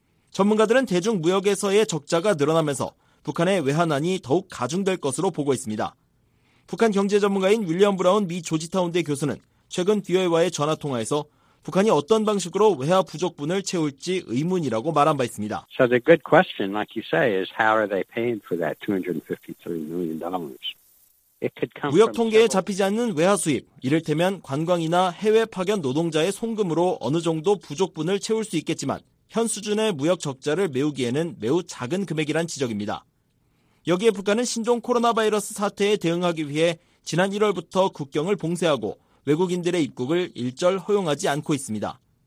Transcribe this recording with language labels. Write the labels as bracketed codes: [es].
[ko] 전문가들은 대중 무역에서의 적자가 늘어나면서 북한의 외환난이 더욱 가중될 것으로 보고 있습니다. 북한 경제 전문가인 윌리엄 브라운 미 조지타운대 교수는 최근 VOA와의 전화통화에서 북한이 어떤 방식으로 외화 부족분을 채울지 의문이라고 말한 바 있습니다. [en] So the good question, like you say, is how are they paying for that $253 million? [ko] 무역 통계에 잡히지 않는 외화 수입, 이를테면 관광이나 해외 파견 노동자의 송금으로 어느 정도 부족분을 채울 수 있겠지만 현 수준의 무역 적자를 메우기에는 매우 작은 금액이란 지적입니다. 여기에 북한은 신종 코로나 바이러스 사태에 대응하기 위해 지난 1월부터 국경을 봉쇄하고 외국인들의 입국을 일절 허용하지 않고 있습니다.